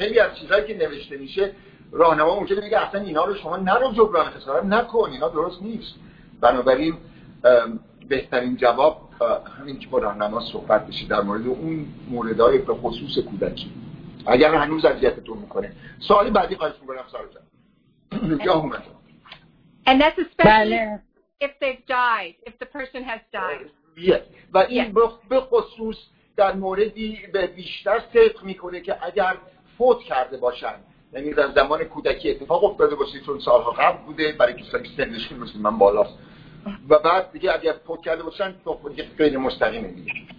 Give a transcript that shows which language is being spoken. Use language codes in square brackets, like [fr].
[fa] خیلی از چیزهایی که نوشته میشه راهنما ممکنه بگه اصلا اینا رو شما نرو جبران خسارت نکن، اینا درست نیست. بنابراین بهترین جواب همین که با راهنما صحبت بشه در مورد اون موردهای به خصوص کودکی اگر هنوز اذیتتون میکنه. سوالی بعدی خواهش میکنم سارا جان. [en] And that's especially if they've died, if the person has died. [fa] بخصوص در موردی به بیشتر صدق میکنه که اگر فوت کرده باشن، یعنی در زمان کودکی اتفاق افتاده باشه، چون سالها قبل بوده برای کسانی سنشون مثل من بالاست، و بعد دیگه اگر فوت کرده باشن تو خودی غیر مستقیمه دیگه.